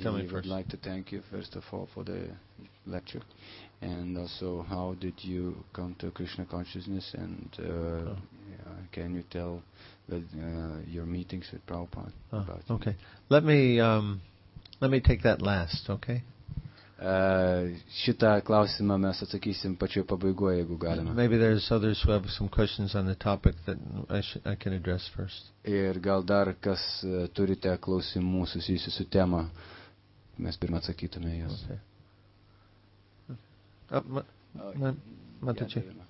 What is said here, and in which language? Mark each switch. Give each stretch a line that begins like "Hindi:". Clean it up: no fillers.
English: He would like to thank you, first of all, for the lecture. And also, how did you come to Krishna consciousness? And can you tell your meetings with Prabhupada about it? Okay. Let me take that last, okay?
Lithuanian: Šitą klausimą mes atsakysim pačioje pabaigoje, jeigu galima.
English: Maybe there's others who have some questions on the topic that I can address first.
Lithuanian: Ir gal dar kas turite klausimų susijusių su tema, mes pirma atsakytume jas.
English: Okay.